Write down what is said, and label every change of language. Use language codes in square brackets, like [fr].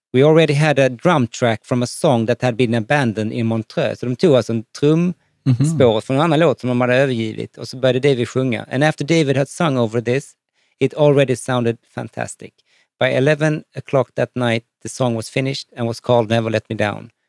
[en] We already had a drum track from a song that had been abandoned in Montreux. [sv] Så de tog alltså en trumspår från en annan låt som de hade övergivit, och så började David sjunga. [en] And after David had sung over this, it already sounded fantastic. By 11 o'clock that night, the song was finished and was called Never Let Me Down.